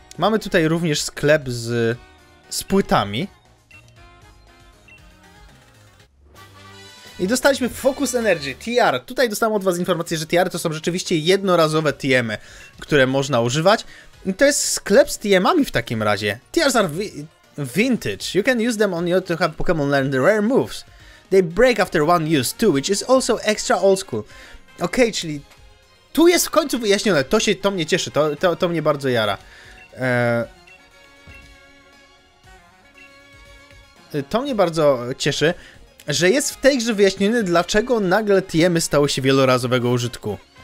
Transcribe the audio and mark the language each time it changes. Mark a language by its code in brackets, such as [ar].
[pl] Mamy tutaj również sklep z płytami. I dostaliśmy Focus Energy, TR. Tutaj dostałem od was informację, że TR to są rzeczywiście jednorazowe TM-y, które można używać. I to jest sklep z TM-ami w takim razie. [en] TRs are vintage. You can use them on your to have Pokemon learn the rare moves. They break after one use too, which is also extra old school. [pl] Okej, okay, czyli... Tu jest w końcu wyjaśnione. To mnie cieszy. To mnie bardzo jara. To mnie bardzo cieszy, że jest w tej grze wyjaśnione, dlaczego nagle TM-y stały się wielorazowego użytku.